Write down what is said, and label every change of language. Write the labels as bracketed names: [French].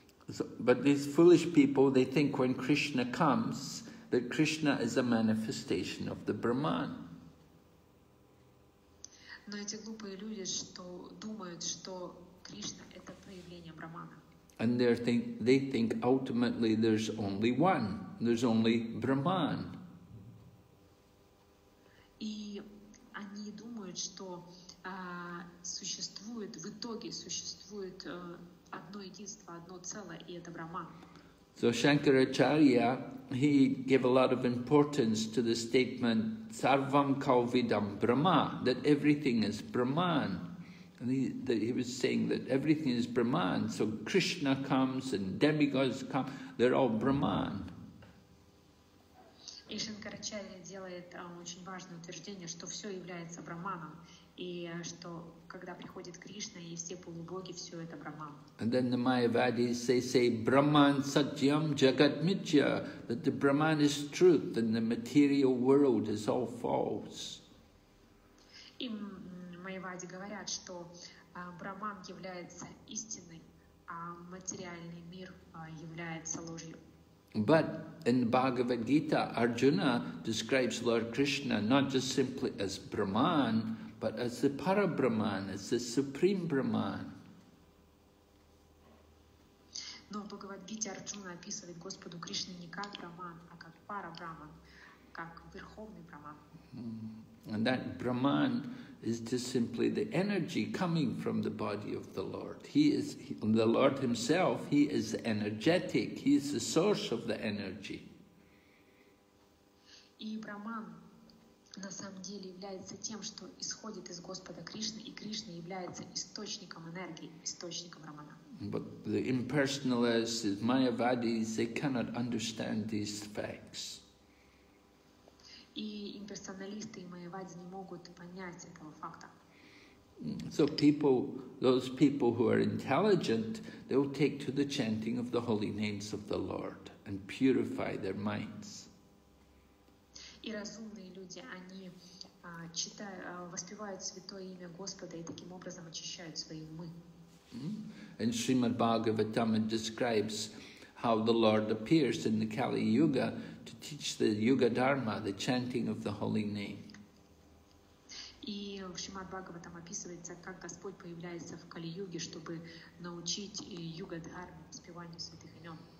[English] So, but these foolish people, they think when Krishna comes, that Krishna is a manifestation of the Brahman. [Russian] Но эти глупые люди, что думают, что Кришна — это проявление Брахмана. [English] And they think ultimately there's only one, there's only Brahman. [Russian] И они думают, что существует, в итоге существует одно единство, одно целое, и это Брахман. [English] So Shankaracharya, he gave a lot of importance to the statement [Sanskrit] Sarvam Kalvidam Brahma, [English] that everything is Brahman. And he was saying that everything is Brahman. So Krishna comes and demigods come, they're all Brahman. [Russian] И Шанкарачарья делает очень важное утверждение, что все является Брахманом. И что когда приходит Кришна и все полубоги, все это Брахман. [English] And then the Mayavadis say [Sanskrit] Brahman Satyam Jagat Mitya, [English] that the Brahman is truth and the material world is all false. [Russian] И Майявади говорят, что Брахман является истиной, а материальный мир является ложью. [English] But in Bhagavad Gita, Arjuna describes Lord Krishna not just simply as Brahman, but as the Parabrahman, as the Supreme Brahman. [Russian] Но в Бхагавад-гите Арджуна описывает Господу Кришну не как Брахман, а как Парабрахман, как Верховный Брахман. [English] And that Brahman is just simply the energy coming from the body of the Lord. He is the Lord Himself, He is energetic, He is the source of the energy. [Russian] И Брахман на самом деле является тем, что исходит из Господа Кришны, и Кришна является источником энергии, источником Брахмана. [English] But the impersonalists, the Mayavadis, they cannot understand these facts. [Russian] И имперсоналисты, и Майявади не могут понять этого факта. [English] So people, those people who are intelligent, they will take to the chanting of the holy names of the Lord and purify their minds. [Russian] И разумные люди, они читают, воспевают святое имя Господа и таким образом очищают свои умы. [English] And Srimad Bhagavatam describes how the Lord appears in the Kali Yuga to teach the Yuga Dharma, the chanting of the holy name. [Russian] И в Шримад Бхагаватам описывается, как Господь появляется в Кали Юге, чтобы научить Юга Дхарме, воспеванию святых имен.